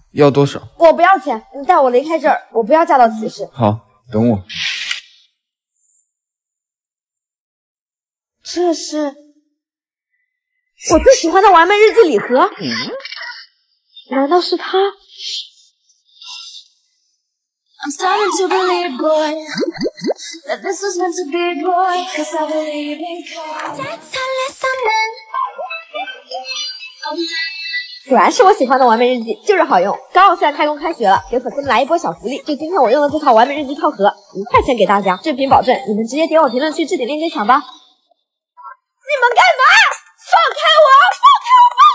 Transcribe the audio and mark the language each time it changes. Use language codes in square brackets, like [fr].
[zh] 要多少？我不要钱，你带我离开这儿，我不要嫁到此时。好，等我。这是我最喜欢的完美日记礼盒。嗯，难道是他？ [en] I'm starting to believe, boy, that this was meant to be, boy, cause I believe in God. That's a lesson, man. [zh] 果然是我喜欢的完美日记，就是好用。刚好现在开工开学了，给粉丝们来一波小福利，就今天我用的这套完美日记套盒，1块钱给大家，正品保证，你们直接点我评论区置顶链接抢吧。你们干嘛？放开我！放开我！